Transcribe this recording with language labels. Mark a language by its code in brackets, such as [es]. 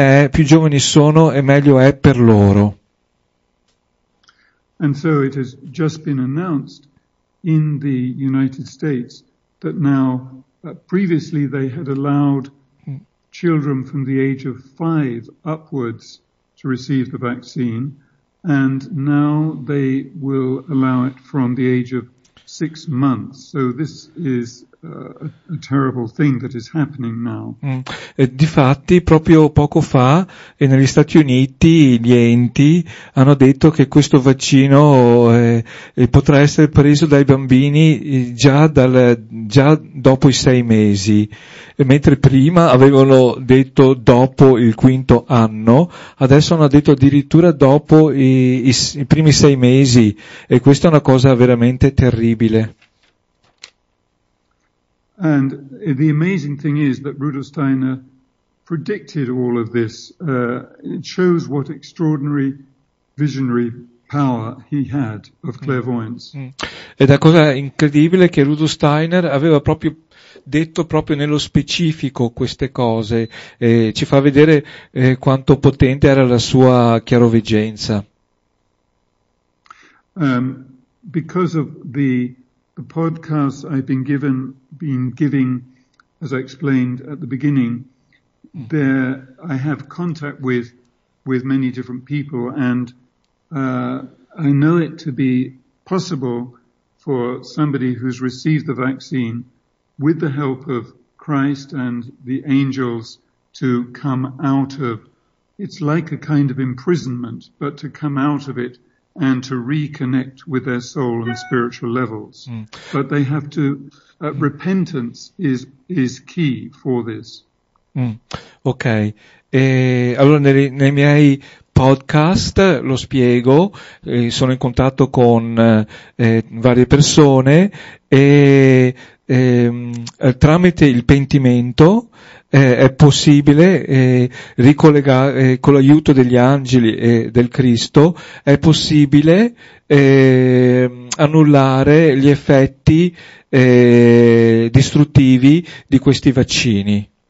[it] Più giovani sono e meglio è per loro. [en] And so it has just been announced in the United States that now, previously they had allowed children from the age of 5 upwards to receive the vaccine, and now they will allow it from the age of 6 months. So this is a terrible thing that is happening now. Mm. [it] Difatti, proprio poco fa, negli Stati Uniti, gli enti hanno detto che questo vaccino potrà essere preso dai bambini già dopo i 6 mesi. E mentre prima avevano detto dopo il 5º anno, adesso hanno detto addirittura dopo i primi 6 mesi. E questa è una cosa veramente terribile. [en] And the amazing thing is that Rudolf Steiner predicted all of this. It shows what extraordinary visionary power he had of clairvoyance. Mm. [it] Ed è cosa incredibile che Rudolf Steiner aveva proprio detto proprio nello specifico queste cose. Ci fa vedere quanto potente era la sua chiaroveggenza. [en] Because of the podcast I've been giving, as I explained at the beginning, there I have contact with many different people, and I know it to be possible for somebody who's received the vaccine, with the help of Christ and the angels, to come out of It's like a kind of imprisonment, but to come out of it and to reconnect with their soul and spiritual levels. Mm. But they have to, repentance is key for this. Mm. [it] Ok, allora nei miei podcast lo spiego, sono in contatto con varie persone e tramite il pentimento è possibile ricollegare con l'aiuto degli angeli e del Cristo, è possibile annullare gli effetti distruttivi di questi vaccini.